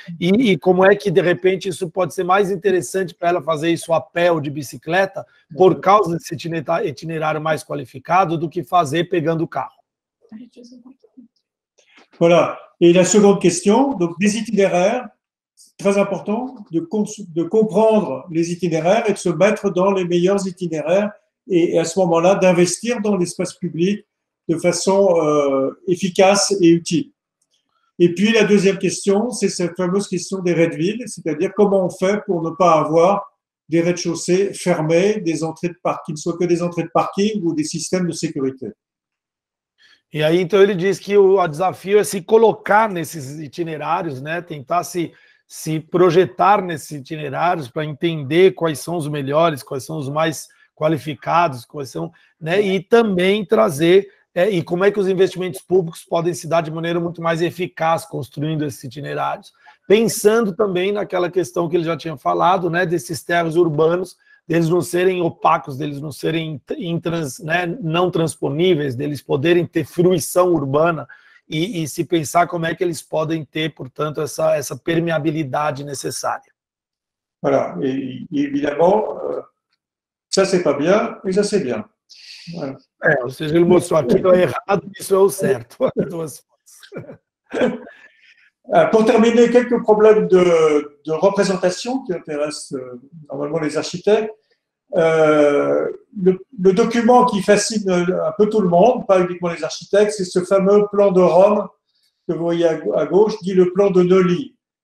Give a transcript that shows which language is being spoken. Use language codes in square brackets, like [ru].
[pt] E como é que, de repente, isso pode ser mais interessante para ela fazer isso a pé ou de bicicleta por causa desse itinerário mais qualificado do que fazer pegando o carro? [fr] Voilà. [pt] E a segunda questão, [fr] des itinéraires. Très important de comprendre les itinéraires et de se mettre dans les meilleurs itinéraires et à ce moment-là d'investir dans l'espace public de façon efficace et utile. Et puis la deuxième question, c'est cette fameuse question des raids-villes, c'est-à-dire comment on fait pour ne pas avoir des rez-de-chaussée fermés, des entrées de parking, qu'il ne soit que des entrées de parking ou des systèmes de sécurité. [pt] E aí, então, ele diz que o desafio é se colocar nesses itinerários, né, tentar se projetar nesses itinerários para entender quais são os melhores, quais são os mais qualificados, quais são, né? E também trazer e como é que os investimentos públicos podem se dar de maneira muito mais eficaz construindo esses itinerários, pensando também naquela questão que ele já tinha falado, né, desses terras urbanos, deles não serem opacos, deles não serem não transponíveis, deles poderem ter fruição urbana e se pensar como é que eles podem ter, portanto, essa permeabilidade necessária. [fr] Voilà, et évidemment, ça c'est pas bien, mais ça c'est bien. Voilà. [pt] Ou seja, ele mostrou aqui que é errado, isso é o certo. [fr] Pour terminer, quelques problèmes de représentation qui intéressent normalement les architectes. Le document qui fascine un peu tout le monde, pas uniquement les architectes, c'est ce fameux plan de Rome que vous voyez à gauche, dit le plan de Noli.